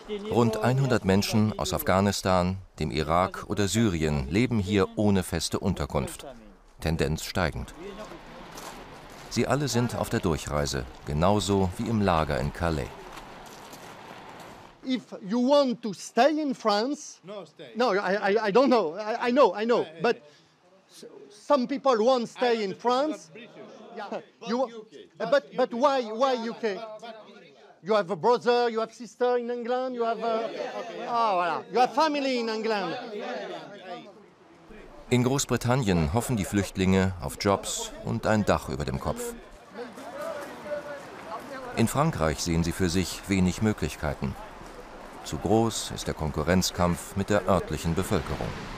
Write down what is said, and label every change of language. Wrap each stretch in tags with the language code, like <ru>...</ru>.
<de>Rund 100 Menschen aus Afghanistan, dem Irak oder Syrien leben hier ohne feste Unterkunft. Tendenz steigend. Sie alle sind auf der Durchreise, genauso wie im Lager in Calais.</de> <en>If you want to stay in France, no, I don't know. I know. But some people won't stay in France. But why UK? You have a brother, you have sister in England, you have you have family in England.</en> <de>In Großbritannien hoffen die Flüchtlinge auf Jobs und ein Dach über dem Kopf. In Frankreich sehen sie für sich wenig Möglichkeiten. Zu groß ist der Konkurrenzkampf mit der örtlichen Bevölkerung.</de>